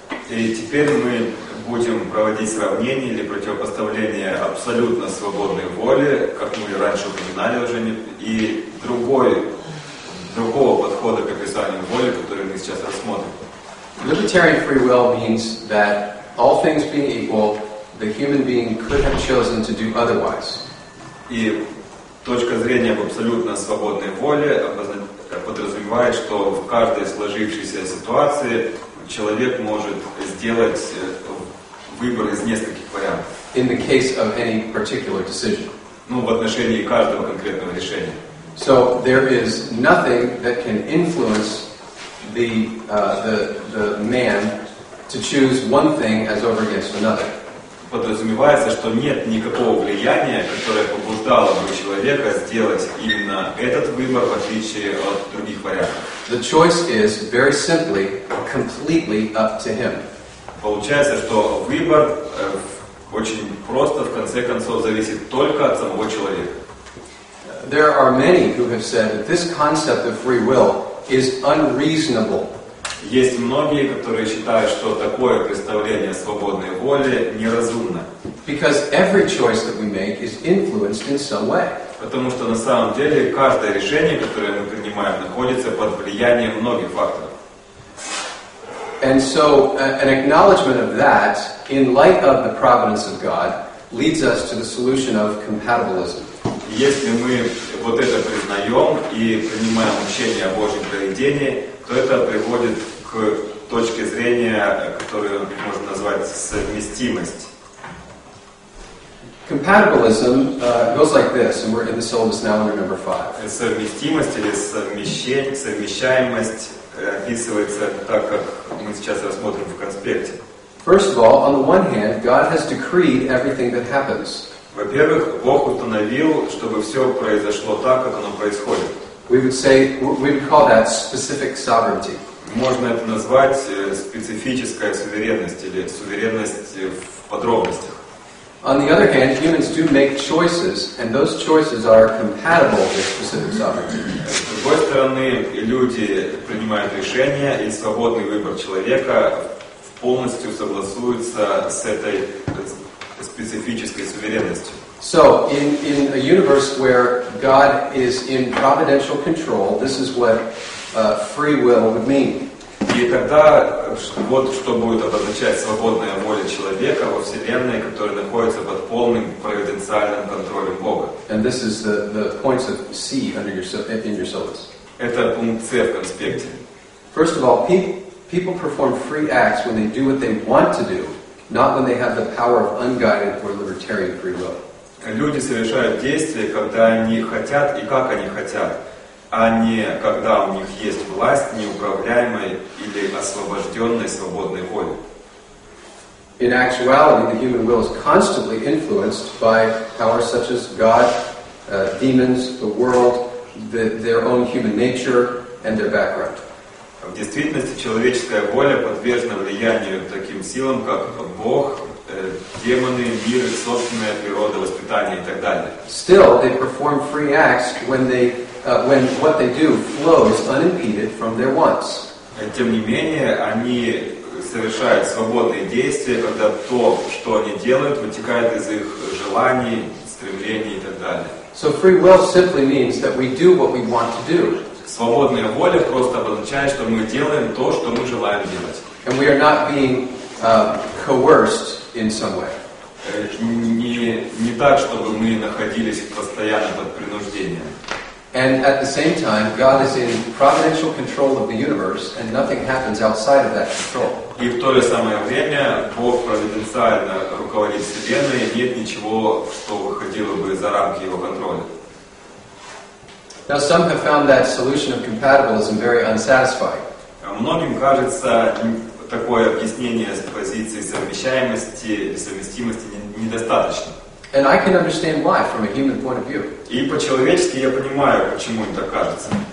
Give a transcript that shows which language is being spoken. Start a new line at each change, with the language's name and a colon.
Russian: И теперь мы будем проводить сравнение или противопоставление абсолютно свободной воли, как мы раньше упоминали уже, и другого подхода к описанию воли, который мы сейчас рассмотрим.
English: Libertarian free will means that all things being equal, the human being could have chosen to do otherwise.
Russian: И точка зрения об абсолютно свободной воле подразумевает, что в каждой сложившейся ситуации человек может сделать выбор из нескольких вариантов.
English: In the case of any particular decision.
Russian: Ну, в отношении каждого конкретного решения.
English: So there is nothing that can influence the man to choose one thing as over against another.
Russian: Подразумевается, что нет никакого влияния, которое побуждало бы человека сделать именно этот выбор в отличие от других вариантов.
English: The choice is very simply completely up to him.
Russian: Получается, что выбор очень просто в конце концов зависит только от самого человека.
English: There are many who have said that this concept of free will is unreasonable.
Russian: Есть многие, которые считают, что такое представление свободной воли неразумно.
English: Because every choice that we make is influenced in some way.
Russian: Потому что на самом деле каждое решение, которое мы принимаем, находится под влиянием многих факторов.
English: And so an acknowledgement of that in light of the providence of God leads us to the solution of compatibilism.
Russian: Если мы вот это признаем и принимаем учение о Божьем провидении, то это приводит к точке зрения, которую можно назвать совместимость.
English: Compatibilism goes like this, and we're in the syllabus now under number 5.
Russian: Совместимость или совмещаемость описывается так, как мы сейчас рассмотрим в конспекте.
English: First of all, on the one hand, God has decreed everything that happens.
Russian: Во-первых, Бог установил, чтобы все произошло так, как оно происходит.
English: We would call that specific sovereignty.
Russian: Можно это назвать специфическая суверенность или суверенность в подробностях.
English: On the other hand, humans do make choices, and those choices are compatible with specific sovereignty.
Russian: С другой стороны, люди принимают решения, и свободный выбор человека полностью согласуется с этой специфической суверенностью.
English: So, in a universe where God is in providential control, this is what free will would mean.
Russian: тогда вот что будет обозначать свободная воля человека во Вселенной, которая находится под полным провиденциальным контролем Бога.
English: And this is the points of C under yourself in your syllabus.
Russian: Это пункт C в конспекте.
English: First of all, people perform free acts when they do what they want to do, not when they have the power of unguided or libertarian free will.
Russian: Люди совершают действия, когда они хотят и как они хотят, а не когда у них есть власть неуправляемой или освобожденной свободной воли.
English: In actuality, the human will is constantly influenced by powers such as God, demons, the world, their own human nature and their background.
Russian: В действительности человеческая воля подвержена влиянию таким силам, как Бог, демоны, мир, собственная природа, воспитание и так далее.
English: Still, they perform free acts when what they do flows unimpeded from their wants.
Russian: Тем не менее, они совершают свободные действия, когда то, что они делают, вытекает из их желаний, стремлений и так далее.
English: So free will simply means that we do what we want to do.
Russian: Свободная воля просто обозначает, что мы делаем то, что мы желаем делать.
English: And we are not being coerced in some way.
Russian: Не так, чтобы мы находились постоянно под принуждением.
English: And at the same time, God is in providential control of the universe, and nothing happens outside of that control.
Russian: И в то же самое время Бог провиденциально руководит Вселенной, и нет ничего, что выходило бы за рамки Его контроля.
English: Now some have found that solution of compatibilism very unsatisfying.
Russian: Многим кажется такое объяснение с позиции совмещаемости и совместимости недостаточно.
English: And I can understand why from a human point of view.
Russian: И по-человечески я понимаю, почему это кажется.